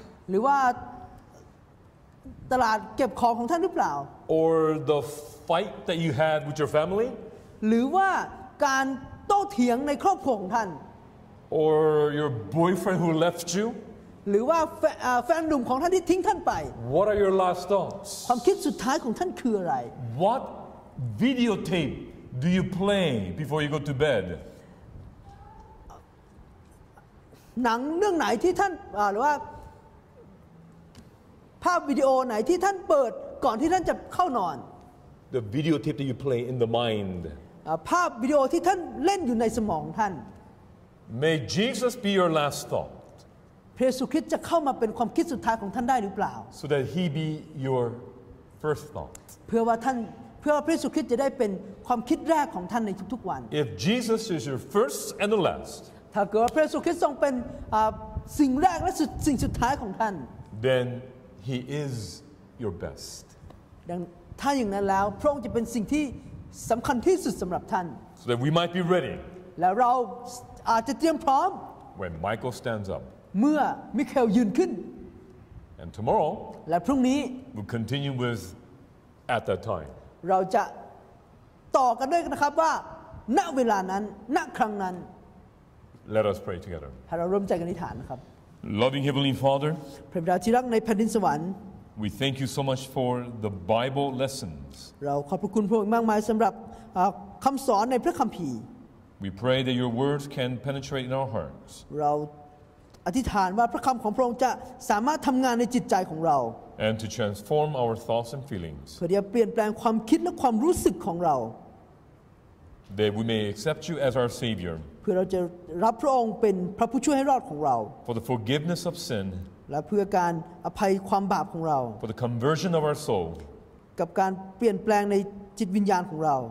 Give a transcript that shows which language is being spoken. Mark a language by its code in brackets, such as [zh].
[th] หรือว่าตลาดเก็บของของท่านหรือเปล่า [en] Or the fight that you had with your family [th] หรือว่าการโต้เถียงในครอบครัวของท่าน [en] Or your boyfriend who left you [th] หรือว่าแฟนหนุ่มของท่านที่ทิ้งท่านไป [en] What are your last thoughts [th] ความคิดสุดท้ายของท่านคืออะไร [en] What videotapeDo you play before you go to bed? [th] หนังเรื่องไหนที่ท่านหรือว่าภาพวิดีโอไหนที่ท่านเปิดก่อนที่ท่านจะเข้านอน [en] The videotape that you play in the mind. [th] ภาพวิดีโอที่ท่านเล่นอยู่ในสมองท่าน [en] May Jesus be your last thought. [th] พระเยซูคริสต์จะเข้ามาเป็นความคิดสุดท้ายของท่านได้หรือเปล่า [en] So that he be your first thought. [th] เพื่อพระเยซูคริสต์จะได้เป็นความคิดแรกของท่านในทุกๆวัน [en] If Jesus is your first and the last [th] ถ้าเกิดพระเยซูคริสต์ทรงเป็นสิ่งแรกและสิ่งสุดท้ายของท่าน [en] Then he is your best [th] ดังถ้าอย่างนั้นแล้วพระองค์จะเป็นสิ่งที่สำคัญที่สุดสำหรับท่าน [en] So that we might be ready [th] และเราอาจจะเตรียมพร้อม [en] When Michael stands up [th] เมื่อมิเคลยืนขึ้น [en] And tomorrow [th] และพรุ่งนี้ [en] We'll continue with at that time [th] เราจะต่อกันด้วยนะครับว่าณเวลานั้นณครั้งนั้น [en] Let us pray together [th] ให้เราร่วมใจกันอธิษฐานนะครับ [en] Loving Heavenly Father [th] พระบิดาที่รักในแผ่นดินสวรรค์ [en] We thank you so much for the Bible lessons [th] เราขอบพระคุณพระองค์มากมายสำหรับคำสอนในพระคัมภีร์ [en] We pray that your words can penetrate in our hearts [th] เราอธิษฐานว่าพระคำของพระองค์จะสามารถทำงานในจิตใจของเรา [en] And to transform our thoughts and feelings. [th] เพื่อจะเปลี่ยนแปลงความคิดและความรู้สึกของเรา [en] That we may accept you as our Savior. [th] เพื่อเราจะรับพระองค์เป็นพระผู้ช่วยให้รอดของเรา [en] For the forgiveness of sin. [th] และเพื่อการอภัยความบาปของเรา [en] For the conversion of our soul. [th] กับการเปลี่ยนแปลงในจิตวิญญาณของเรา